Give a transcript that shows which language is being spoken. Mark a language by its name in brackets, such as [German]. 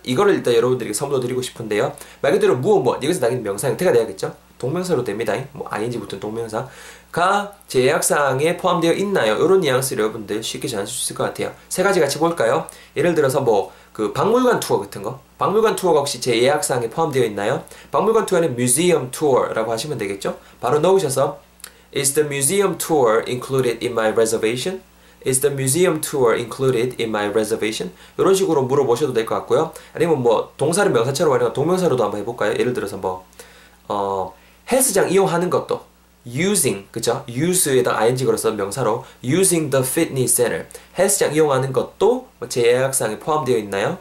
[Korean] 이거를 일단 여러분들에게 선물로 드리고 싶은데요. 말 그대로 무엇 무엇 여기서 당연히 명사 형태가 돼야겠죠? 동명사로 됩니다. 뭐 ing 붙은 동명사가 제 예약 사항에 포함되어 있나요? 이런 뉘앙스를 여러분들 쉽게 전할 수 있을 것 같아요. 세 가지 같이 볼까요? 예를 들어서 뭐그 박물관 투어 같은 거. 박물관 투어가 혹시 제 예약 사항에 포함되어 있나요? 박물관 투어는 museum tour라고 하시면 되겠죠? 바로 넣으셔서 [English] Is the museum tour included in my reservation? Is the museum tour included in my reservation? [Korean] 이런 식으로 물어보셔도 될것 같고요. 아니면 뭐 동사를 명사처럼 활용한 동명사로도 한번 해볼까요? 예를 들어서 뭐 헬스장 이용하는 것도 using 그죠? use에다 ing 걸어서 명사로 [English] using the fitness center [Korean] 헬스장 이용하는 것도 뭐제 예약사항에 포함되어 있나요?